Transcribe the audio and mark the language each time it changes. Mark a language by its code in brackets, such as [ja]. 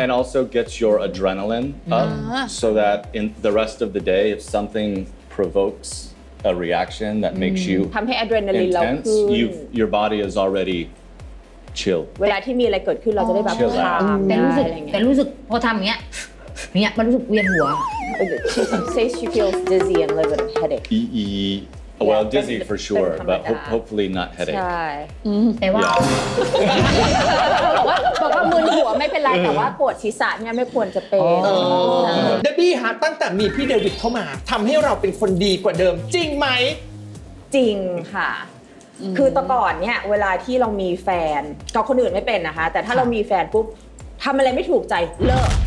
[en] And also gets your adrenaline up so that in the rest of the day, if something provokes a reaction that makes you intense, your body is already. Chill. [th] เวลาที่มีอะไรเกิดขึ้นเราจะได้แบบ คลาย แต่รู้สึกพอทำอย่างเงี้ยเนี่ยมันรู้สึกเวียนหัว [en] Say she feels dizzy and a little bit of headache well dizzy for sure but hopefully not headache [th] ใช่ แต่ว่า บอกว่ามึนหัวไม่เป็นไรแต่ว่าปวดศีรษะเนี่ยไม่ควรจะเป็น เดบบี้ฮะตั้งแต่มีพี่เดวิดเข้ามาทำให้เราเป็นคนดีกว่าเดิมจริงไหม จริงค่ะคือตะก่อนเนี่ยเวลาที่เรามีแฟนกับคนอื่นไม่เป็นนะคะแต่ถ้าเรามีแฟนปุ๊บทำอะไรไม่ถูกใจเลิก